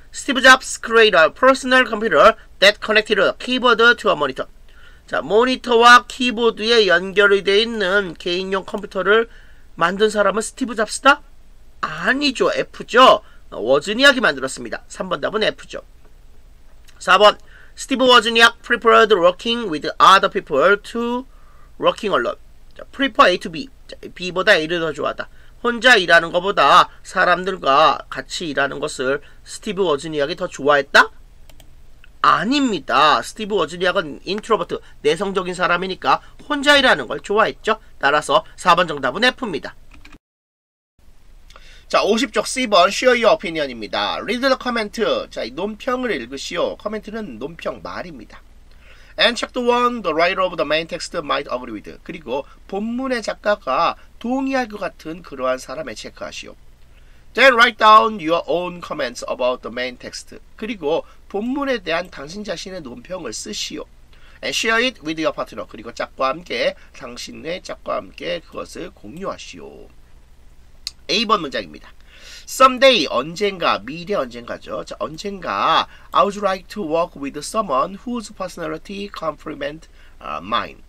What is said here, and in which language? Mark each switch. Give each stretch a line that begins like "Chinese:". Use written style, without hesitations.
English: Steve Jobs created a personal computer that connected a keyboard to a monitor.
Korean: 자, 모니터와 키보드에 연결이 되어 있는 개인용 컴퓨터를 만든 사람은 스티브 잡스다? 아니죠. F죠. 워즈니악이 만들었습니다. 3번 답은 F죠.
English: 4번 스티브 워즈니악 preferred working with other people to working alone. 자, prefer A to B.
Korean: 자, B보다 A를 더 좋아하다. 혼자 일하는 것보다 사람들과 같이 일하는 것을 스티브 워즈니악이 더 좋아했다? 아닙니다. 스티브 워즈니악은 인트로버트, 내성적인 사람이니까 혼자 일하는 걸 좋아했죠. 따라서 4번 정답은 F입니다. 자, 50쪽 C번
English: Share your opinion입니다. Read the comment.
Korean: 자, 이 논평을 읽으시오. 코멘트는 논평 말입니다.
English: And check the one the writer of the main text might agree with.
Korean: 그리고 본문의 작가가 동의할 것 같은 그러한 사람에 체크하시오.
English: Then write down your own comments about the main text.
Korean: 그리고 본문에 대한 당신 자신의 논평을 쓰시오.
English: And share it with your partner.
Korean: 그리고 짝과 함께 당신의 짝과 함께 그것을 공유하시오. A번 문장입니다. Someday, 언젠가, 미래 언젠가죠. 자, 언젠가
English: I would like to work with someone whose personality complement mine.